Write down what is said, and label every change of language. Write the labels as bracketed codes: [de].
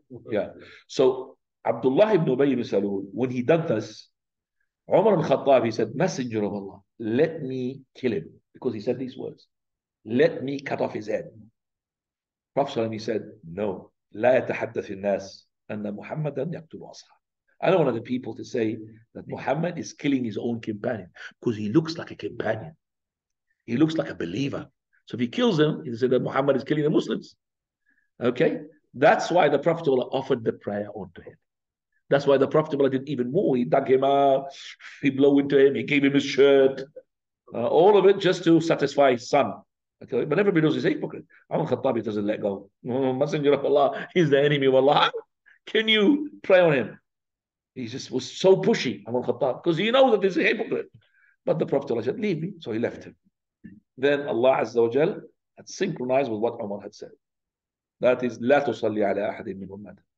[en] Yeah. So, Abdullah ibn Ubayy ibn Salul, when he did this, Umar al-Khattab, he said, Messenger of Allah, let me kill him. Because he said these words. Let me cut off his head. Prophet ﷺ, he said, no. [ar] لا يتحدث الناس أن محمدا يقتل أصحابه. [en] I don't want the people to say that Muhammad is killing his own companion. Because he looks like a companion. He looks like a believer. So if he kills him, he said that Muhammad is killing the Muslims. Okay? That's why the Prophet Allah offered the prayer unto him. That's why the Prophet Allah did even more. He dug him out, he blew into him, he gave him his shirt. All of it just to satisfy his son. Okay? But everybody knows he's a hypocrite. Umar Khattabi doesn't let go. Messenger of Allah, he's the enemy of Allah. Can you pray on him? He just was so pushy, Umar Khattab, because he knows that this is a hypocrite. But the Prophet said, leave me. So he left him. Then Allah Azza wa Jal had synchronized with what Umar had said. That is, [ar] لا تصلي على أحد منهم مات.